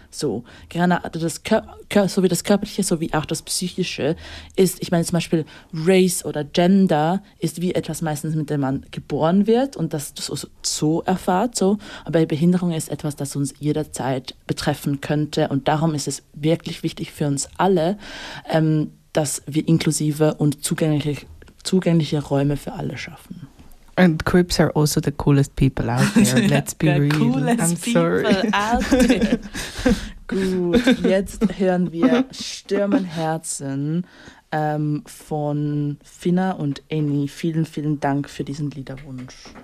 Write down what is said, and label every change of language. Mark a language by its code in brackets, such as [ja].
[de] So, gerade das sowie das Körperliche, sowie auch das Psychische ist, ich meine zum Beispiel Race oder Gender ist wie etwas meistens, mit dem man geboren wird und das so erfahrt. So. Aber Behinderung ist etwas, das uns jederzeit betreffen könnte und darum ist es wirklich wichtig für uns alle, dass wir inklusive und zugängliche Räume für alle schaffen. [en] And Crips are also the coolest people out there. Let's be real. [de] Gut, jetzt hören wir Stürmen Herzen von Finna und Amy. Vielen, vielen Dank für diesen Liederwunsch.